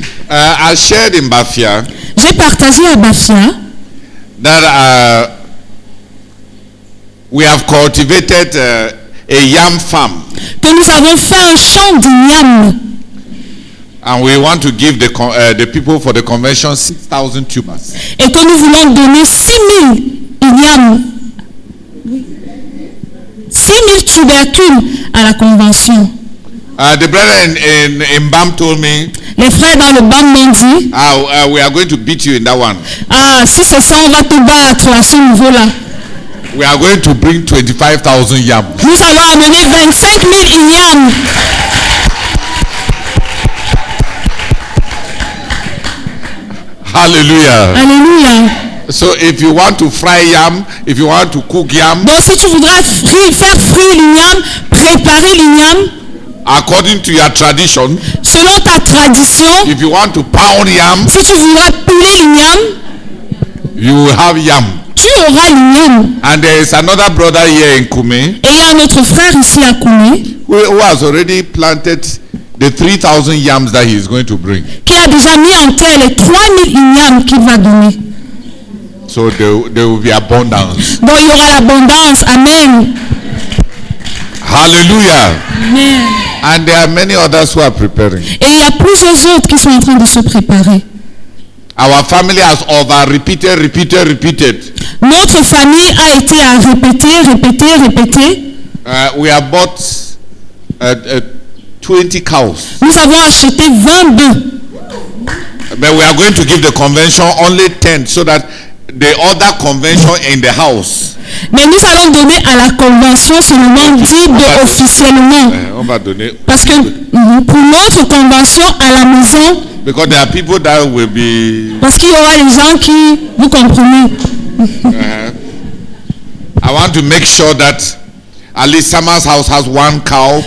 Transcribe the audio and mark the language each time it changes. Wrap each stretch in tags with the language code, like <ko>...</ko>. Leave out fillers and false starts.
<en>I shared in Bafia.</en> <fr>J'ai partagé à Bafia.</fr> <en>That we have cultivated a yam farm.</en> <fr>Que nous avons fait un champ de yam.</fr> <en>And we want to give the people for the convention 6,000 tubers.</en> <fr>Et que nous voulons donner 6,000 yams. 6,000 tubercules à la convention.</fr> <en>The brethren in BAM told me.</en> <fr>Les frères dans le BAM m'ont dit.</fr> <en>We are going to beat you in that one.</en> <fr>Ah, si c'est ça, on va te battre à ce niveau-là.</fr> <en>We are going to bring 25,000 yams.</en> <fr>Nous allons amener 25,000 yams. Hallelujah. Alleluia.</fr> <en>So if you want to fry yam, if you want to cook yam,</en> <fr>donc si tu voudras faire frire le yam, préparer le yam,</fr> <en>according to your tradition,</en> <fr>selon ta tradition,</fr> <en>if you want to pound yam,</en> <fr>si tu voudras peler le yam,</fr> <en>you will have yam.</en> <fr>Tu auras le yam.</fr> <en>And there is another brother here in Kume.</en> <fr>Et il y a un autre frère ici à Kume.</fr> <en>Who has already planted the 3,000 yams that he is going to bring.</en> <fr>Qui a déjà mis en terre les 3,000 yams qu'il va donner.</fr> <en>So there will be abundance.</en> <fr>Donc il y aura l'abondance. Amen. Hallelujah. Amen.</fr> <en>And there are many others who are preparing.</en> <fr>Et il y a plusieurs autres qui sont en train de se préparer.</fr> <en>Our family has over repeated.</en> <fr>Notre famille a été à répéter.</fr> <en>We have bought 20 cows.</en> <fr>Nous avons acheté 20 bœufs.</fr> <en>But we are going to give the convention only 10 so that the other convention in the house.</en> <fr>Mais nous allons donner à la convention seulement 10 bœufs officiellement. On va donner. Parce que pour notre convention à la maison.</fr> <en>Because there are people that will be.</en> <fr>Parce qu'il y aura des gens qui vous comprennent.</fr> <en>I want to make sure that at least Sama's house has one cow.</en>